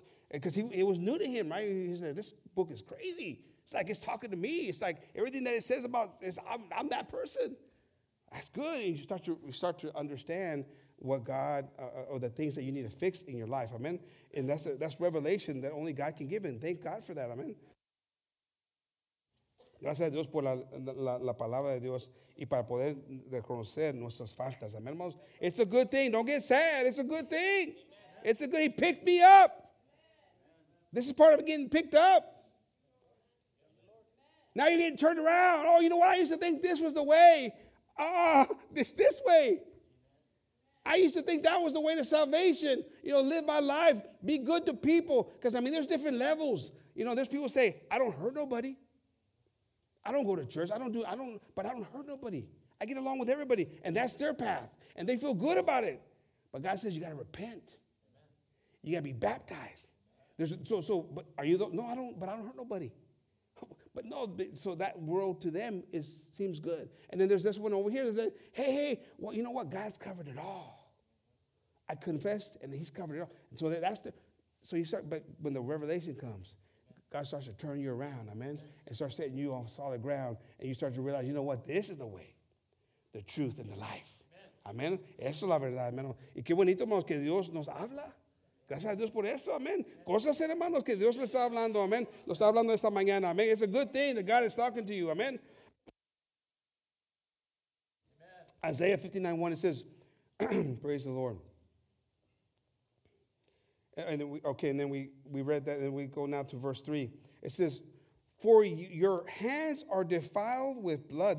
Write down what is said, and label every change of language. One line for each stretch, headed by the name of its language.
English: Because it was new to him, right? He said, this book is crazy. It's like it's talking to me. It's like everything that it says about is I'm that person. That's good. And you start to understand what God or the things that you need to fix in your life. Amen. And that's revelation that only God can give. And thank God for that. Amen.
Spanish: Gracias a Dios por la palabra de Dios y para poder reconocer nuestras faltas.
English: Amen, hermanos. It's a good thing. Don't get sad. It's a good thing. It's a good thing. He picked me up. This is part of getting picked up. Now you're getting turned around. Oh, you know what? I used to think this was the way. This way. I used to think that was the way to salvation. You know, live my life. Be good to people. Because, I mean, there's different levels. You know, there's people say, I don't hurt nobody. I don't go to church. But I don't hurt nobody. I get along with everybody. And that's their path. And they feel good about it. But God says you got to repent. You got to be baptized. But are you the, no, I don't, but I don't hurt nobody. But no, so that world to them seems good. And then there's this one over here that says, hey, well, you know what? God's covered it all. I confessed and he's covered it all. And so but when the revelation comes, God starts to turn you around, amen, and starts setting you on solid ground, and you start to realize, you know what? This is the way, the truth, and the life.
Spanish: Amen. Amen. Eso es la verdad, hermano. Y qué bonito, hermanos, que Dios nos habla. Gracias a Dios por eso, amen. Cosas, hermanos, que Dios le está hablando, amen. Lo está hablando esta mañana, amen.
English: It's a good thing that God is talking to you, amen. Amen. Isaiah 59:1, it says, praise the Lord. And then we read that, and we go now to verse 3. It says, for your hands are defiled with blood.